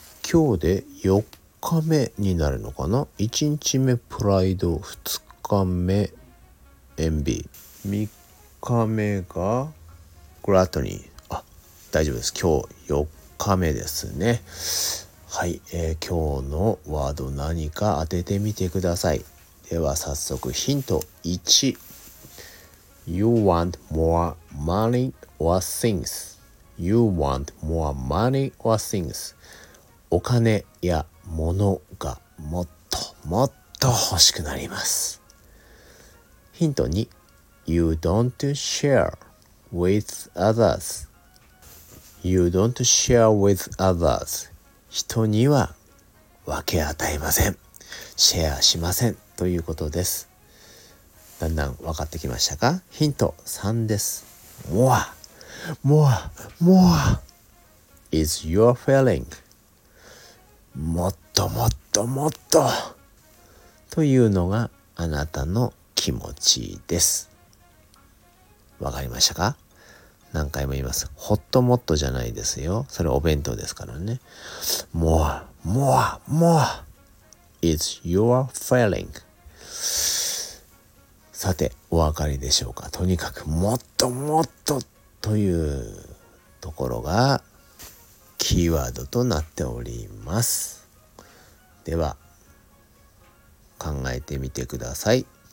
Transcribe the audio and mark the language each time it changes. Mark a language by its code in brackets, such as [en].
[ja] 今日で4日目になるのかな ?1 日目プライド、2日目エンビー、3日目がグラトニー。あ、大丈夫です。今日4日目ですね。はい、今日のワード何か当ててみてください。では早速ヒント1。 [en] You want more money or things? You want more money or things? [ja] お金や物がもっともっと欲しくなります。ヒント2。 [en] You don't share with others. You don't share with others. [ja] 人には分け与えません。シェアしませんということです。だんだん分かってきましたか？ヒント3です。 [en] More, more, more is your feeling. [ja] もっともっともっとというのがあなたの気持ちです。わかりましたか？何回も言います。ホットモットじゃないですよ。それお弁当ですからね。 [en] More, more, more is your feeling. [ja] さて、お分かりでしょうか？とにかく、もっともっとというところがキーワードとなっております。では、考えてみてください。